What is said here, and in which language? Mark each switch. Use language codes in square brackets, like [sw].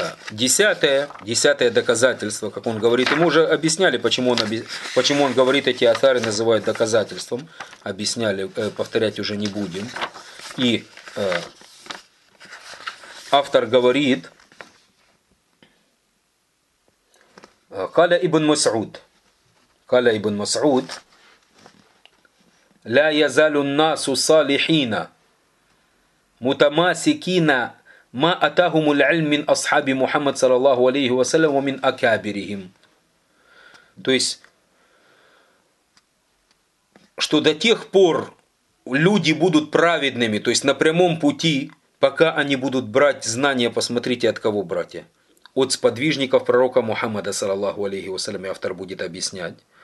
[ru] Десятое доказательство, как он говорит, и мы уже объясняли, почему он говорит эти атары, называют доказательством. Объясняли, повторять уже не будем. И автор говорит, Каля ибн Мас'уд. [ar] قال ابن مسعود لا يزال الناس صالحين متماسكين ما أتاهم العلم من أصحاب محمد صلى الله عليه وسلم ومن أكابرهم. [ru] То есть, что до тех пор люди будут праведными, то есть на прямом пути, пока они будут брать знания, посмотрите, от кого, братья? От сподвижников пророка Мухаммада, саллаллаху алейхи вассалям, автор будет объяснять.